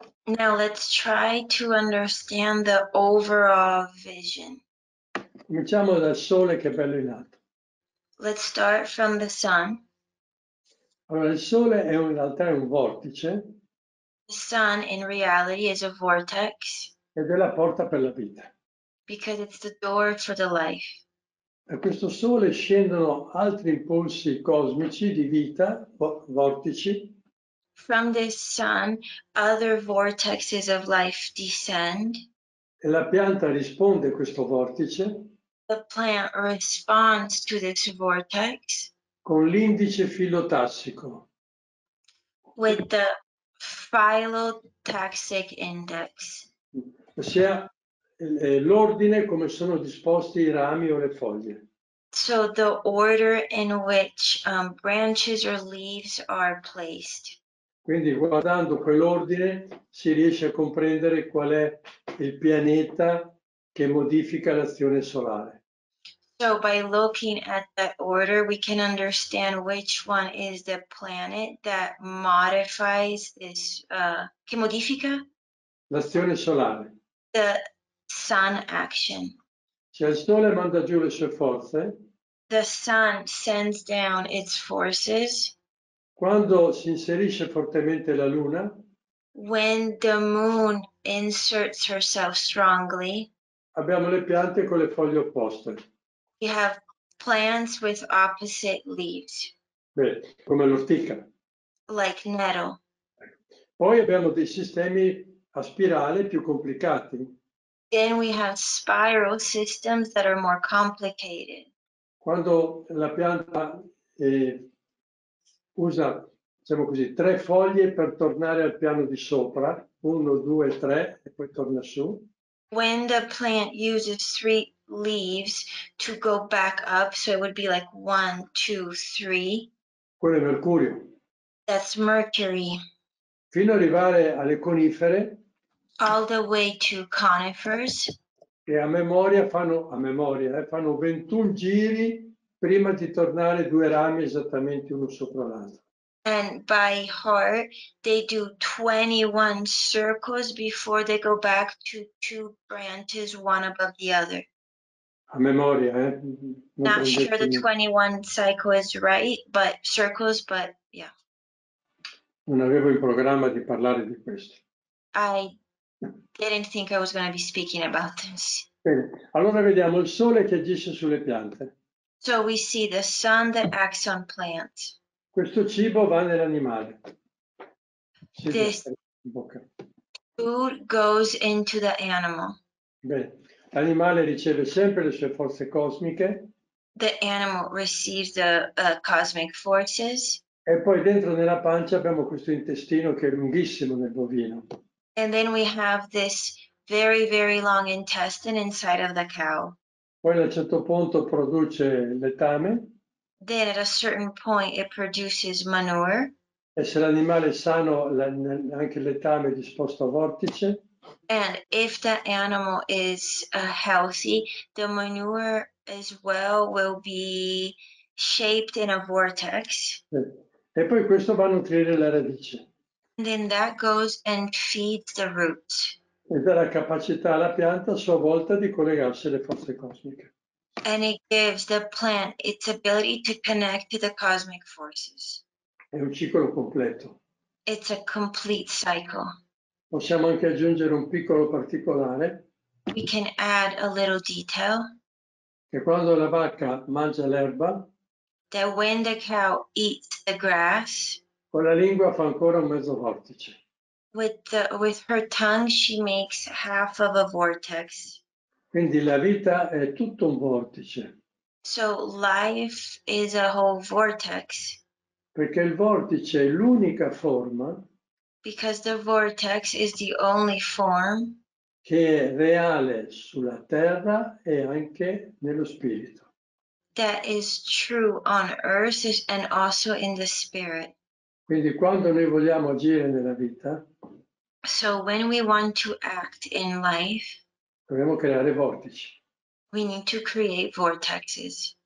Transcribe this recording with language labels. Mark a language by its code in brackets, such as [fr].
[en] Now let's try to understand the overall vision. [it] Cominciamo dal sole che è bello in alto. [en] Let's start from the sun. [it] Allora, il sole è in realtà un vortice. [en] The sun in reality is a vortex. [it] Ed è la porta per la vita. [en] Because it's the door for the life. [it] Da questo sole scendono altri impulsi cosmici di vita, vortici. [en] From this sun, other vortexes of life descend. [it] E la pianta risponde a questo vortice. [en] The plant responds to this vortex. [it] Con l'indice filotassico. [en] With the phylotaxic index. [it] Ossia l'ordine come sono disposti i rami o le foglie. [en] So the order in which branches or leaves are placed. [it] Quindi guardando quell'ordine si riesce a comprendere qual è il pianeta che modifica l'azione solare. [en] So by looking at that order we can understand which one is the planet that modifies this, [it] che modifica? L'azione solare. [en] The sun action. [it] Se il sole manda giù le sue forze. [en] The sun sends down its forces. [it] Quando si inserisce fortemente la luna. [en] When the moon inserts herself strongly. [it] Abbiamo le piante con le foglie opposte. [en] We have plants with opposite leaves. [it] Beh, come l'ortica. [en] Like nettle. [it] Poi abbiamo dei sistemi a spirale più complicati. [en] Then we have spiral systems that are more complicated. [it] Quando la pianta usa, diciamo così, tre foglie per tornare al piano di sopra, uno, due, tre, e poi torna su. [en] When the plant uses three leaves to go back up, so it would be like one, two, three. [it] Quello è mercurio. [en] That's mercury. [it] Fino ad arrivare alle conifere. [en] All the way to conifers. [it] E a memoria fanno 21 giri prima di tornare due rami esattamente uno sopra l'altro. [en] And by heart they do 21 circles before they go back to two branches one above the other. [it] A memoria, [en] Non Not sure the 21 cycle is right, but circles, but yeah. [it] Non avevo in programma di parlare di questo. [en] I didn't think I was going to be speaking about this. [it] Bene. Allora vediamo il sole che agisce sulle piante. [en] So we see the sun that acts on plants. [it] Questo cibo va nell'animale. [en] This food goes into the animal. [it] Bene. L'animale riceve sempre le sue forze cosmiche. [en] The animal receives the cosmic forces. [it] E poi dentro nella pancia abbiamo questo intestino che è lunghissimo nel bovino. [en] And then we have this very, very long intestine inside of the cow. [it] Poi a un certo punto produce letame. [en] Then at a certain point it produces manure. [it] E se l'animale è sano, anche il letame è disposto a vortice. [en] And if the animal is healthy, the manure as well will be shaped in a vortex. [it] E poi questo va a nutrire la radice. [en] And then that goes and feeds the root. [it] E dà la capacità alla pianta a sua volta di collegarsi alle forze cosmiche. [en] And it gives the plant its ability to connect to the cosmic forces. [it] È un ciclo completo. [en] It's a complete cycle. [it] Possiamo anche aggiungere un piccolo particolare. [en] We can add a little detail. [it] Che quando la vacca mangia l'erba, [en] that when the cow eats the grass, [it] con la lingua fa ancora un mezzo vortice. [en] With her tongue she makes half of a vortex. [it] Quindi la vita è tutto un vortice. [en] So life is a whole vortex. [it] Perché il vortice è l'unica forma. [en] Because the vortex is the only form [it] che è reale sulla terra e anche nello spirito. [en] That is true on earth and also in the spirit. [it] Quindi quando noi vogliamo agire nella vita, [en] so when we want to act in life, [it] dobbiamo creare vortici. [en] We need to create vortexes.